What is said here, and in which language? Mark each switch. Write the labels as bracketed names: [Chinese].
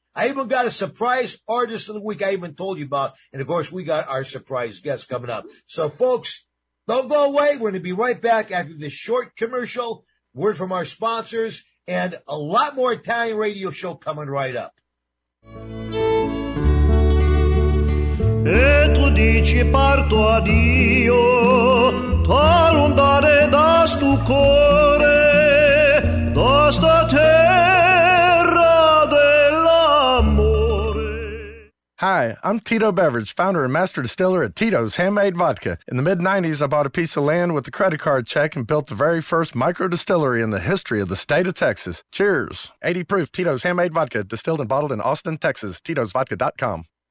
[English] I even got a surprise artist of the week I even told you about. And, of course, we got our surprise guest coming up. So, folks, don't go away. We're going to be right back after this short commercial, word from our sponsors, and a lot more Italian radio show coming right up. [Italian] E tu dici parto addio, t'allontanare da stu cuore, da sta terra dell'amore. [English] Hi, I'm Tito Beveridge, founder and master distiller at Tito's Handmade Vodka. In the mid-90s, I bought a piece of land with a credit card check and built the very first micro distillery in the history of the state of Texas. Cheers. 80 proof Tito's Handmade Vodka, distilled and bottled in Austin, Texas. Tito'sVodka.com.